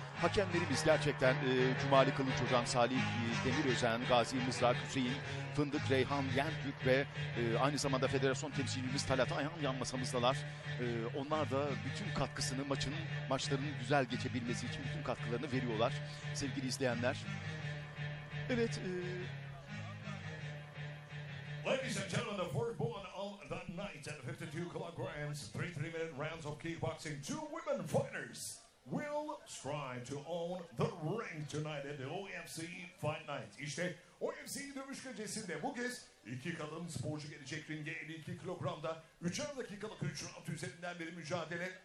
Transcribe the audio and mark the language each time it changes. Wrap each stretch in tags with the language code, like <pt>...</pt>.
<tr>Hakemlerimiz gerçekten Cumali Kılıç Hocam, Salih Demir Özen, Gazi Mızrak Hüseyin, Fındık Reyhan, Yentürk ve aynı zamanda federasyon temsilcimiz Talat Ayhan yan masamızdalar. Onlar da bütün katkısını maçların güzel geçebilmesi için bütün katkılarını veriyorlar sevgili izleyenler. Evet.</tr> <en>Ladies and gentlemen, the fourth one of the night at 52 kilograms, 3 minute rounds of kickboxing, two women fighters. Will strive to own the ring tonight at the OMC Fight Night.</en> <tr>İşte OMC dövüş gecesinde bu kez iki kadın sporcu gelecek ringe 52 kilogramda 3'er dakikalık 3 round üzerinden bir mücadele.</tr>